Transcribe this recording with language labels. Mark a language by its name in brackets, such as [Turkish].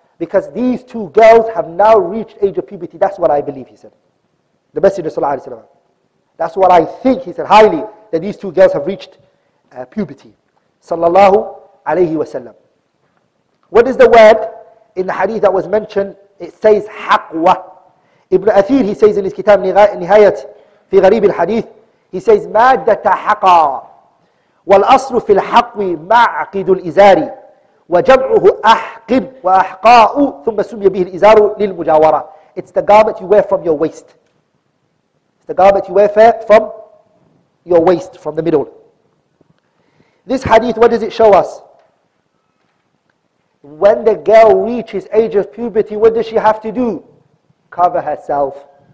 [English] Because these two girls have now reached age of puberty. That's what I believe, he said. The Messenger [Arabic] صلى الله عليه وسلم. [English] That's what I think, he said, highly, that these two girls have reached puberty. [Arabic] صلى الله عليه وسلم. [English] What is the word in the hadith that was mentioned? It says حقوة. [Arabic] Ibn Athir, [English] he says in his kitab [Arabic] نهاية في غريب الحديث, he says مادة حقا والأصل في الحقو معقد الإزار وجمعه أحقب وأحقاء ثم سمي به الإزار للمجاورة. [English] It's the garment you wear from your waist. The garment you wear from your waist, from the middle. This hadith, what does it show us? When the girl reaches age of puberty, what does she have to do? Cover herself.